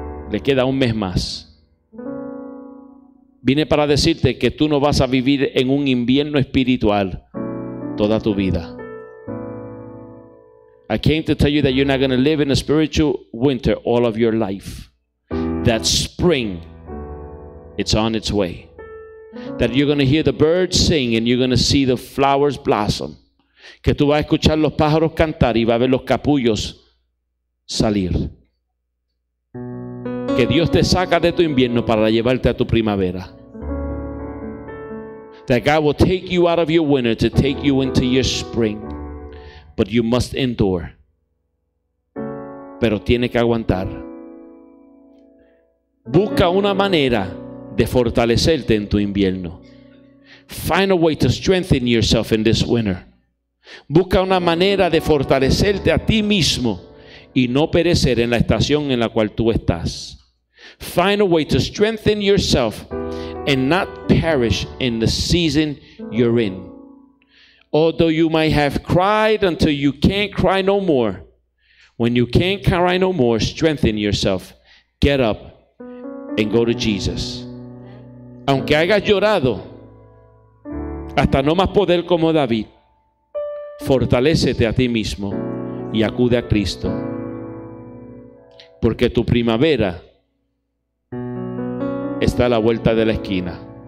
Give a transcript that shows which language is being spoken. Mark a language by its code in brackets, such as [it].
[es] Le queda un mes más. Vine para decirte que tú no vas a vivir en un invierno espiritual toda tu vida. [en] I came to tell you that you're not going to live in a spiritual winter all of your life. That spring, it's on its way. That you're going to hear the birds sing and you're going to see the flowers blossom. [es] Que tú vas a escuchar los pájaros cantar y vas a ver los capullos salir. Que Dios te saca de tu invierno para llevarte a tu primavera. [en] That God will take you out of your winter to take you into your spring. But you must endure. [es] Pero tiene que aguantar. Busca una manera de fortalecerte en tu invierno. [en] Find a way to strengthen yourself in this winter. [es] Busca una manera de fortalecerte a ti mismo y no perecer en la estación en la cual tú estás. [en] Find a way to strengthen yourself and not perish in the season you're in. Although you might have cried until you can't cry no more, when you can't cry no more, strengthen yourself. Get up and go to Jesus. [es] Aunque hayas llorado hasta no más poder como David, fortalécete a ti mismo y acude a Cristo. Porque tu primavera está a la vuelta de la esquina.